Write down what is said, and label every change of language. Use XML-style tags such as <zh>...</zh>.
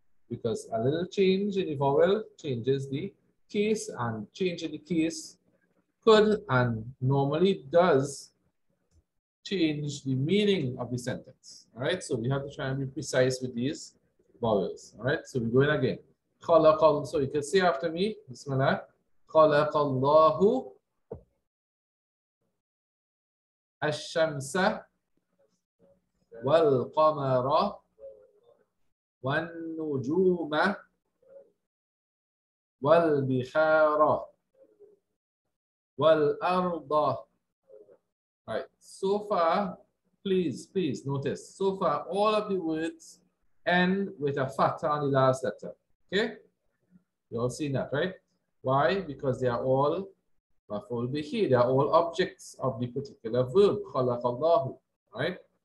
<en>Because a little change in the vowel changes the case, and change in the case could and normally does change the meaning of the sentence. All right, so we have to try and be precise with these vowels. All right, so we're going again. Khalaqal, so you can say after me, bismillah.</en> <ar>خلق الله الشمس والقمر والنجوم والبحار والأرض.</ar> <en>Right, so far, please notice, so far all of the words end with a fatha on the last letter. Okay, you all seen that, right? Why? Because they are all maful bihi. They are all objects of the particular verb. Khalaqallahu. Right?</en>